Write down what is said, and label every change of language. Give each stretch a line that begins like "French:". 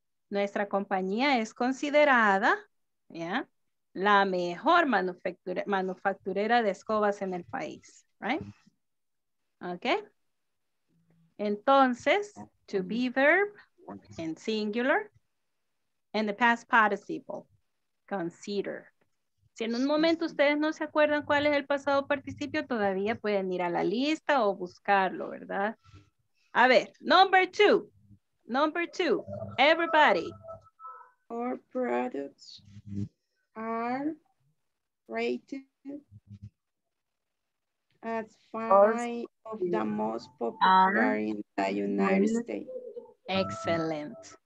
Spanish: Nuestra compañía es considerada, yeah, la mejor manufacturera de escobas en el país, right?
English: Okay. Entonces, to be verb and singular and the past participle, consider.
Spanish: Si en un momento ustedes no se acuerdan cuál es el pasado participio, todavía pueden ir a la lista o buscarlo, ¿verdad?
English: A ver, number two, everybody. Our products are rated as five of the most popular in the United States. Excellent.